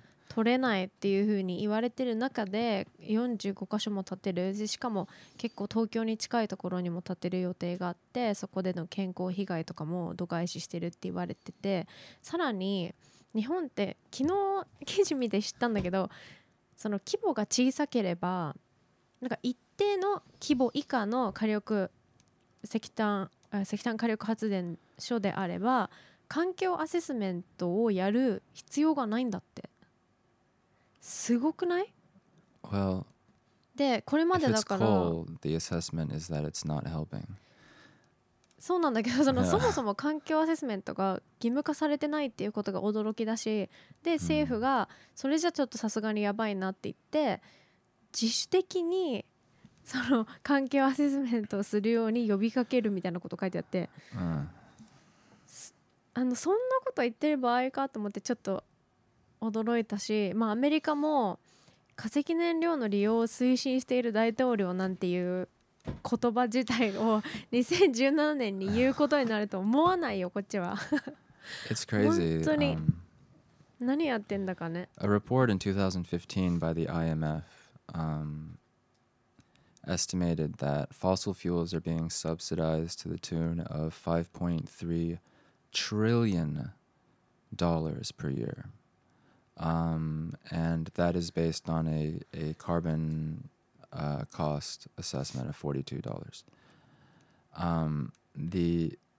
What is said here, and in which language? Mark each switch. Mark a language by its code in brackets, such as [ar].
[ja] 取れないっていうふうに言われてる中で45箇所も建てる、しかも結構東京に近いところにも建てる予定があって、そこでの健康被害とかも度外視してるって言われてて、さらに日本って昨日記事見て知ったんだけど、その規模が小さければなんか一定の規模以下の火力石炭火力発電所であれば環境アセスメントをやる必要がないんだって。すごくない? [en] Well, [ja] でこれまでだから [en] if it's coal, the assessment is that it's not helping. [ja] そうなんだけど、その、そもそも環境アセスメントが義務化されてないっていうことが驚きだし、で政府がそれじゃちょっとさすがにやばいなって言って、自主的にその環境アセスメントをするように呼びかけるみたいなこと書いてあって、うん、あのそんなこと言ってる場合かと思ってちょっと驚いたし、まあ、アメリカも化石燃料の利用を推進している大統領なんていう言葉自体を2017年に言うことになると思わないよこっちは。 [en] It's crazy. [ja] 本当に何やってんだかね。 [en] A report in 2015 by the IMF、estimated that fossil fuels are being subsidized to the tune of $5.3 trillion per year. And that is based on a carbon cost assessment of $42.